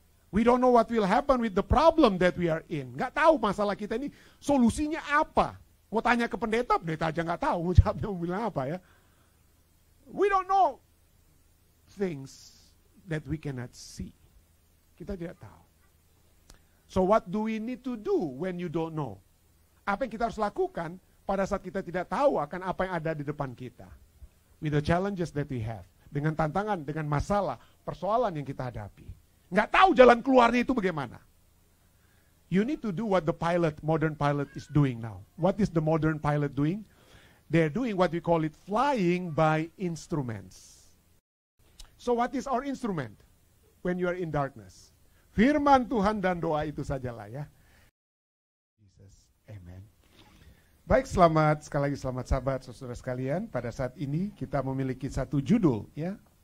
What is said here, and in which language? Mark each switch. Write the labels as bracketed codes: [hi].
[en] We don't know what will happen with the problem that we are in. [id] Gak tahu masalah kita ini solusinya apa. Mau tanya ke pendeta, pendeta aja gak tahu. Mau jawabnya mau bilang apa ya. [en] We don't know things that we cannot see. [id] Kita tidak tahu. [en] So what do we need to do when you don't know? [id] Apa yang kita harus lakukan pada saat kita tidak tahu akan apa yang ada di depan kita? [en] With the challenges that we have. [id] Dengan tantangan, dengan masalah, persoalan yang kita hadapi. Nggak tahu jalan keluarnya itu bagaimana. [en] You need to do what the pilot, modern pilot is doing now. What is the modern pilot doing? They're doing what we call it flying by instruments. So what is our instrument when you are in darkness? [id] Firman Tuhan dan doa itu sajalah ya. Jesus, amen. Baik, selamat, sekali lagi selamat sabat, saudara sekalian. Pada saat ini kita memiliki satu judul ya.